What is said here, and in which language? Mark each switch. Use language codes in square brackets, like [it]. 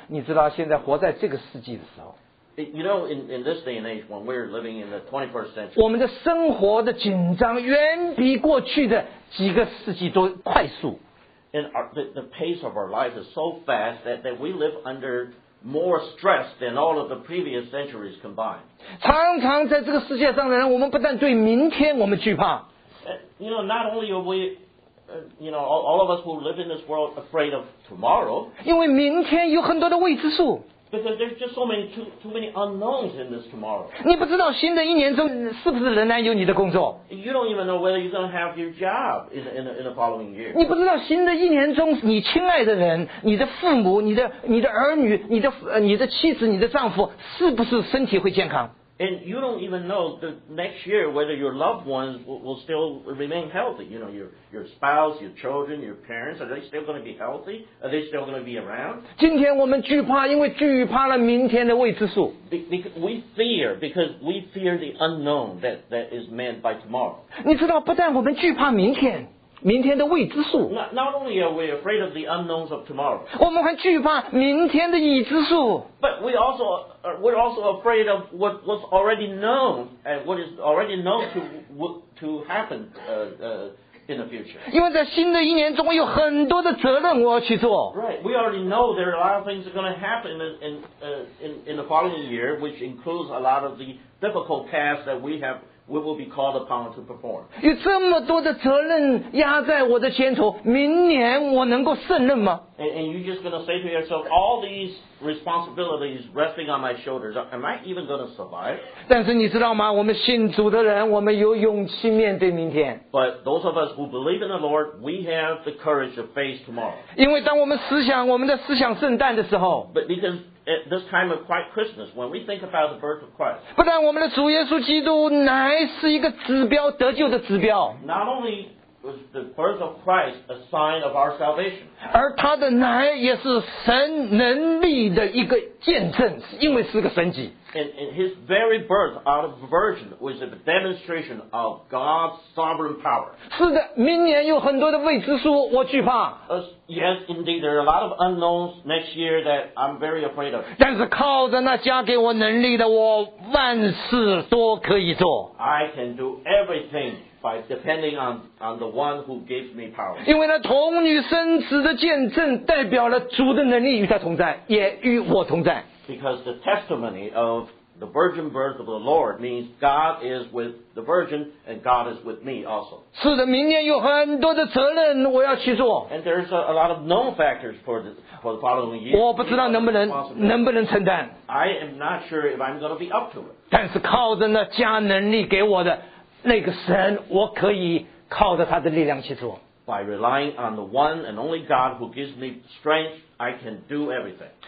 [zh] 你知道现在活在这个世纪的时候。 [en] You know, in this day and age, when we're living in the 21st century, [zh] 我们的生活的紧张远比过去的几个世纪都快速。 [en] And the pace of our life is so fast that we live under... More stress than all of the previous centuries combined. [zh] 常常在这个世界上的人，我们不但对明天我们惧怕。 [en] You know, not only are we, you know, all of us who live in this world afraid of tomorrow. [zh] 因为明天有很多的未知数。 [en] Because there's just so many too many unknowns in this tomorrow. [zh] 你不知道新的一年中是不是仍然有你的工作。 [en] You don't even know whether you're going to have your job in the following year. [zh] 你不知道新的一年中你亲爱的人、你的父母、你的儿女、你的妻子、你的丈夫是不是身体会健康。 [en] And you don't even know the next year whether your loved ones will still remain healthy. You know, your spouse, your children, your parents, are they still going to be healthy? Are they still going to be around? [zh] 今天我们惧怕，因为惧怕了明天的未知数。 [en] We fear because we fear the unknown that is meant by tomorrow. [zh] 你知道，不但我们惧怕明天。明天的未知数。 [en] Not only are we afraid of the unknowns of tomorrow. [zh] 我们还惧怕明天的已知数。 [en] But we're also afraid of what's already known and what is already known to happen in the future. [zh] 因为在新的一年中，我有很多的责任我要去做。 [en] Right, we already know there are a lot of things are going to happen in the following year, which includes a lot of the difficult tasks that we have. We will be called upon to perform. [zh] 有这么多的责任压在我的肩头，明年我能够胜任吗？ [en] And you're just going to say to yourself, all these responsibilities resting on my shoulders, am I even going to survive? [zh] 但是你知道吗？我们信主的人，我们有勇气面对明天。 [en] But those of us who believe in the Lord, we have the courage to face tomorrow. [zh] 因为当我们思想我们的思想圣诞的时候。 [en] But because at this time of Christmas, when we think about the birth of Christ, [zh] 不但我们的主耶稣基督乃是一个指标，得救的指标。 [en] Not only was the birth of Christ a sign of our salvation, [zh] 而他的乃也是神能力的一个见证，因为是个神迹。 [en] And his very birth out of virgin was a demonstration of God's sovereign power. [zh] 是的，明年有很多的未知数，我惧怕。 [en] Yes, indeed, there are a lot of unknowns next year that I'm very afraid of. [zh] 但是靠着那加给我能力的，我万事都可以做。 [en] I can do everything by depending on the one who gives me power. [zh] 因为那童女生子的见证代表了主的能力与他同在，也与我同在。 [en] Because the testimony of the virgin birth of the Lord means God is with the virgin and God is with me also. [zh] 是的，明年有很多的责任我要去做。 [en] And there's a lot of known factors for the following year. [zh] 我不知道能不能承担。 [en] I am not sure if I'm going to be up to it. [zh] 但是靠着那加能力给我的那个神，我可以靠着他的力量去做。 [en] By relying on the one and only God who gives me strength, I can do everything.